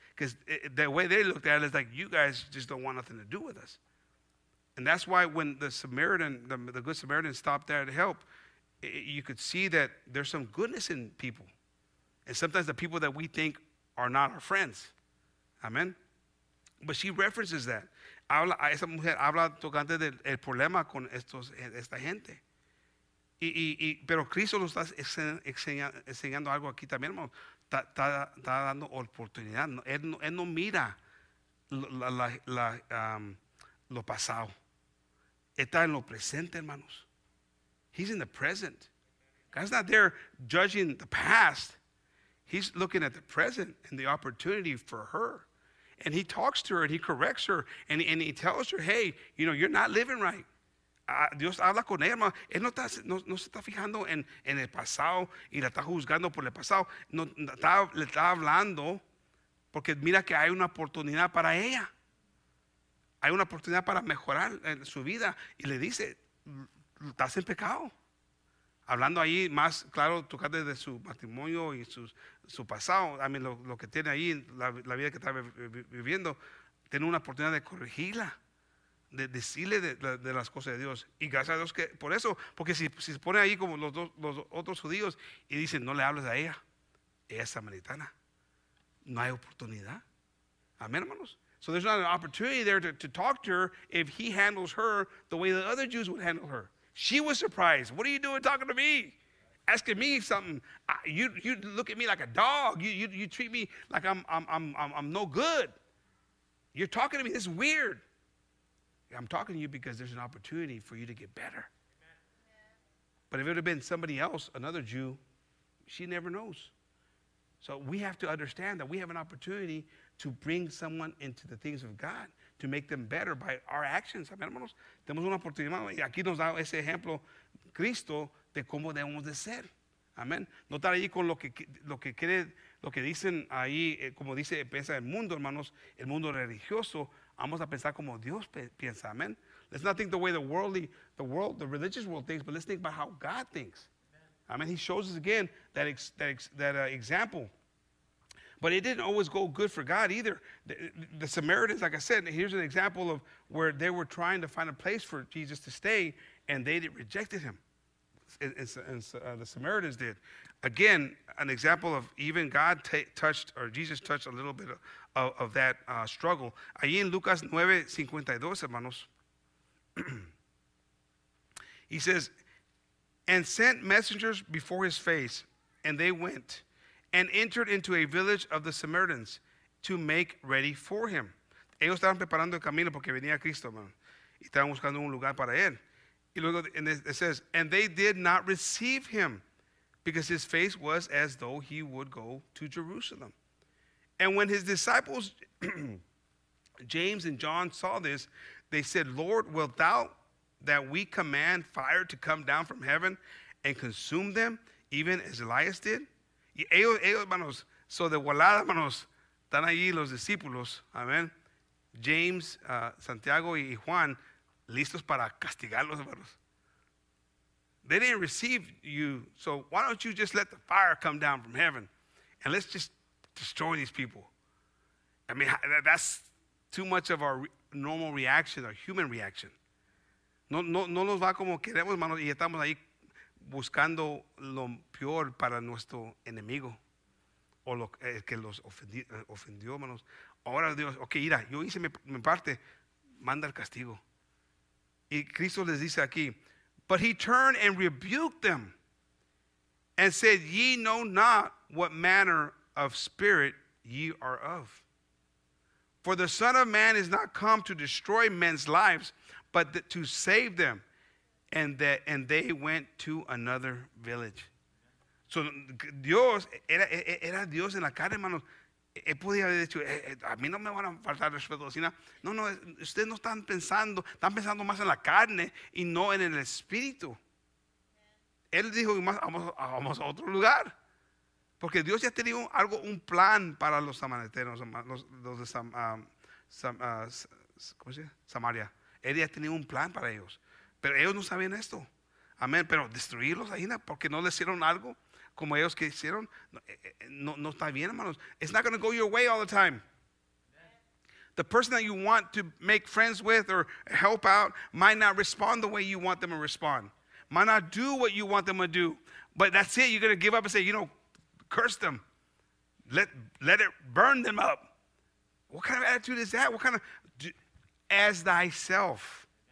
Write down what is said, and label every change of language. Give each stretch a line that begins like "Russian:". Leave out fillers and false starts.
English: Because the way they looked at it is like, you guys just don't want nothing to do with us. And that's why when the Samaritan, the good Samaritan stopped there to help, you could see that there's some goodness in people. And sometimes the people that we think are not our friends. Amen. But she references that.
Spanish: Habla, esa mujer habla tocante del problema con esta gente. Y pero Cristo nos está enseñando algo aquí también, hermano. Está dando oportunidad. Él no mira lo pasado. Está en lo presente, hermanos.
English: He's in the present. God's not there judging the past. He's looking at the present and the opportunity for her. And he talks to her and he corrects her and he tells her, hey, you know, you're not living right.
Spanish: Dios habla con ella, hermano. Él no se está fijando en el pasado y la está juzgando por el pasado. Le está hablando porque mira que hay una oportunidad para ella. Hay una oportunidad para mejorar su vida. Y le dice, estás en pecado. Hablando ahí más claro, tocando de su matrimonio y su pasado.
English: I mean,
Spanish: lo que tiene ahí, la vida que está viviendo. Tiene una oportunidad de corregirla. De decirle de las cosas de Dios. Y gracias a Dios que por eso, porque si se pone ahí como los otros judíos y dicen, no le hables a ella, ella es samaritana. No hay oportunidad. Amén, hermanos.
English: So there's not an opportunity there to talk to her if he handles her the way the other Jews would handle her. She was surprised. What are you doing talking to me? Asking me something. You look at me like a dog. You treat me like I'm no good. You're talking to me. This is weird. I'm talking to you because there's an opportunity for you to get better. Yeah. But if it would have been somebody else, another Jew, she never knows. So we have to understand that we have an opportunity to bring someone into the things of God, to make them better by our actions.
Spanish: Amén, hermanos. Tenemos una oportunidad, hermanos. Y aquí nos da ese ejemplo, Cristo, de cómo debemos de ser. Amén. No estar allí con lo que quiere, lo que dicen ahí, como dice, piensa el mundo, hermanos, el mundo religioso. Vamos a pensar como Dios piensa. Amén.
English: Let's not think the way the religious world thinks, but let's think about how God thinks. Amen. He shows us again that example. But it didn't always go good for God either. The Samaritans, like I said, here's an example of where they were trying to find a place for Jesus to stay, and they rejected him. The Samaritans did. Again, an example of even God touched, or Jesus touched a little bit of that struggle.
Spanish: Ahí en Lucas 9:52, hermanos,
English: he says, and sent messengers before his face, and they went and entered into a village of the Samaritans to make ready for him.
Spanish: Ellos estaban preparando el camino porque venía Cristo, man. Y estaban buscando un lugar para él. Y luego,
English: and it says, and they did not receive him because his face was as though he would go to Jerusalem. And when his disciples, James and John, saw this, they said, Lord, wilt thou that we command fire to come down from heaven and consume them, even as Elias did?
Spanish: Y ellos, hermanos, so de volada, hermanos, están allí los discípulos, amén, James, Santiago y Juan, listos para castigarlos, hermanos.
English: They didn't receive you, so why don't you just let the fire come down from heaven and let's just destroy these people? I mean, that's too much of our normal reaction, our human reaction.
Spanish: No nos va como queremos, hermanos, y estamos ahí buscando lo peor para nuestro enemigo o lo que los ofendió, hermanos. Ahora Dios, ok, mira, yo hice mi parte, manda el castigo. Y Cristo les dice aquí,
English: but he turned and rebuked them and said, ye know not what manner of spirit ye are of. For the Son of Man is not come to destroy men's lives, but to save them. And they went to another village.
Spanish: So Dios, era Dios en la carne, hermanos. Él podía haber dicho, a mí no me van a faltar respeto. No, ustedes no están pensando, están pensando más en la carne y no en el espíritu. Él dijo, vamos a otro lugar. Porque Dios ya tenía un plan para los samaritanos, los de ¿cómo se llama? Samaria. Él ya tenía un plan para ellos. Pero ellos no sabían esto. Amén. Pero destruirlos ahí, porque no le hicieron algo como ellos que hicieron, no está bien, hermanos.
English: It's not going to go your way all the time. The person that you want to make friends with or help out might not respond the way you want them to respond. Might not do what you want them to do. But that's it. You're going to give up and say, you know, curse them. Let it burn them up. What kind of attitude is that? What kind of, as thyself.